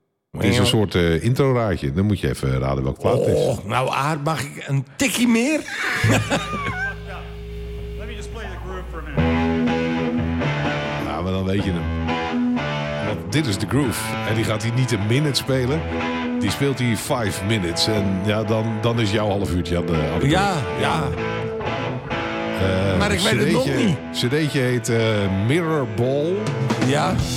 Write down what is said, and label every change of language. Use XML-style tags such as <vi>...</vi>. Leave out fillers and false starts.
<nl>Het is een soort intro raadje. Dan moet je even raden welke plaat het is. Nou, Aard, mag ik een tikkie meer?</nl> <en>Let me just play the groove for a minute.</en> <nl>Nou, maar dan weet je hem. Want dit is de groove. En die gaat hij niet een minute spelen. Die speelt hij 5 minutes. En ja, dan is jouw half uurtje aan de auto. Ja, ja. Maar ik weet het nog niet. CD'tje heet Mirrorball. Ja.</nl>